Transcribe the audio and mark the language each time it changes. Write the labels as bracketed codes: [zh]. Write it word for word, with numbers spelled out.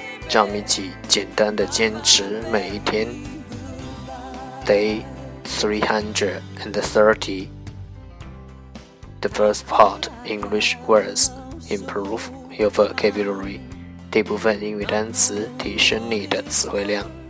[zh] 让我们一起简单的坚持每一天。 [en] Day three hundred thirty. The first part, English words. Improve your vocabulary. [zh] 这部分英语单词提升你的词汇量。